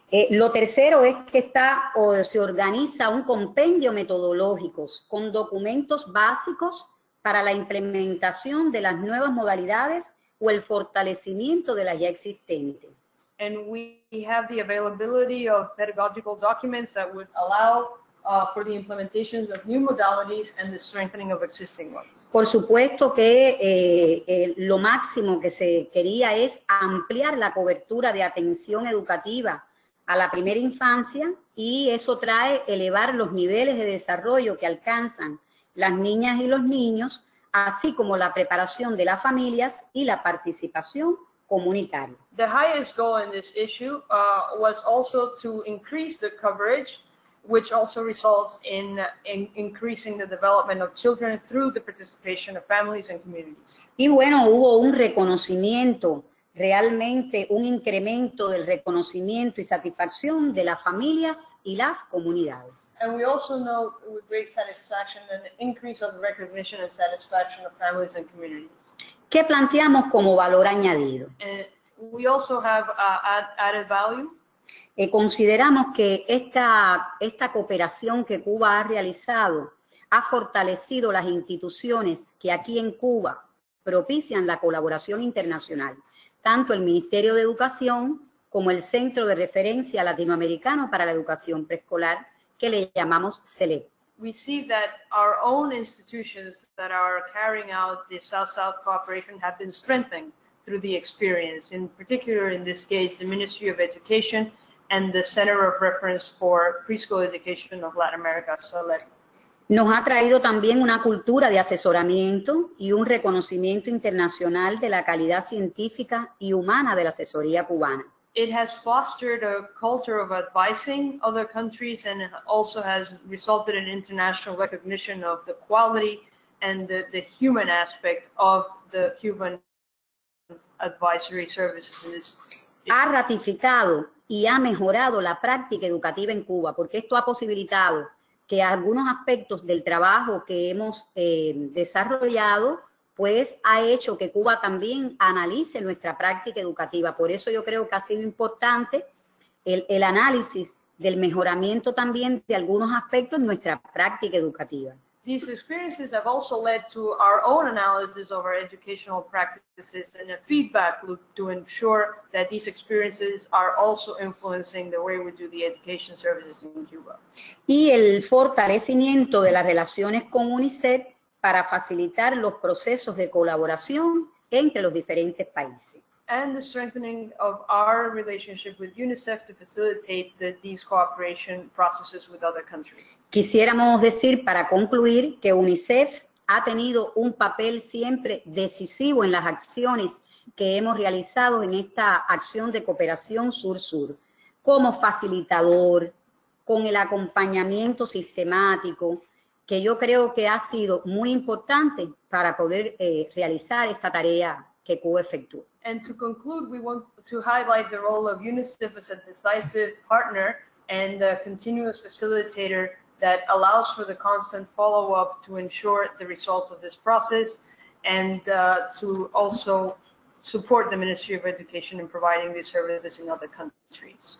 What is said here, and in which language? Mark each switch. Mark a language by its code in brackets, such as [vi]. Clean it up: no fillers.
[es] Lo tercero es que está o se organiza un compendio metodológico con documentos básicos para la implementación de las nuevas modalidades o el fortalecimiento de las ya existentes. [en] And we have the availability of pedagogical documents that would allow for the implementation of new modalities and the strengthening of existing ones. [es] Por supuesto que lo máximo que se quería es ampliar la cobertura de atención educativa a la primera infancia, y eso trae elevar los niveles de desarrollo que alcanzan las niñas y los niños, así como la preparación de las familias y la participación comunitaria. [en] The highest goal in this issue was also to increase the coverage, which also results in increasing the development of children through the participation of families and communities. [es] Y bueno, hubo un reconocimiento, realmente un incremento del reconocimiento y satisfacción de las familias y las comunidades. [en] And we also know with great satisfaction an increase of recognition and satisfaction of families and communities. [es] ¿Qué planteamos como valor añadido? [en] We also have added value. [es] Consideramos que esta cooperación que Cuba ha realizado ha fortalecido las instituciones que aquí en Cuba propician la colaboración internacional, tanto el Ministerio de Educación como el Centro de Referencia Latinoamericano para la Educación Preescolar, que le llamamos CELEP. [en] We see that our own institutions that are carrying out the South-South cooperation have been strengthened through the experience, in particular in this case, the Ministry of Education and the Center of Reference for Preschool Education of Latin America, CELEP. [es] Nos ha traído también una cultura de asesoramiento y un reconocimiento internacional de la calidad científica y humana de la asesoría cubana. [en] It has fostered a culture of advising other countries and also has resulted in international recognition of the quality and the human aspect of the Cuban advisory services. [es] Ha ratificado y ha mejorado la práctica educativa en Cuba, porque esto ha posibilitado que algunos aspectos del trabajo que hemos desarrollado, pues ha hecho que Cuba también analice nuestra práctica educativa. Por eso yo creo que ha sido importante el análisis del mejoramiento también de algunos aspectos en nuestra práctica educativa. [en] These experiences have also led to our own analysis of our educational practices and a feedback loop to ensure that these experiences are also influencing the way we do the education services in Cuba. [es] Y el fortalecimiento de las relaciones con UNICEF para facilitar los procesos de colaboración entre los diferentes países. [en] And the strengthening of our relationship with UNICEF to facilitate these cooperation processes with other countries. [es] Quisiéramos decir, para concluir, que UNICEF ha tenido un papel siempre decisivo en las acciones que hemos realizado en esta acción de cooperación sur-sur, como facilitador, con el acompañamiento sistemático, que yo creo que ha sido muy importante para poder realizar esta tarea que Cuba efectúa. [en] And to conclude, we want to highlight the role of UNICEF as a decisive partner and a continuous facilitator that allows for the constant follow-up to ensure the results of this process and to also support the Ministry of Education in providing these services in other countries.